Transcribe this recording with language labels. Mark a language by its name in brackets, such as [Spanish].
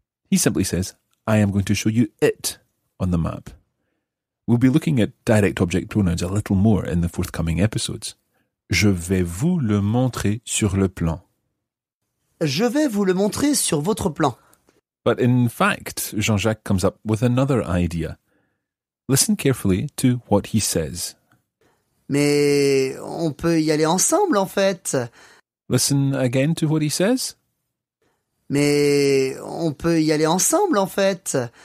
[English] He simply says, I am going to show you it on the map. We'll be looking at direct object pronouns a little more in the forthcoming episodes. [French] Je vais vous le montrer sur le plan. Je vais vous le montrer sur votre plan. [English] But in fact, Jean-Jacques comes up with another idea. Listen carefully to what he says. [French] Mais on peut y aller ensemble, en fait. [English] Listen again to what he says. [French] Mais on peut y aller ensemble, en fait.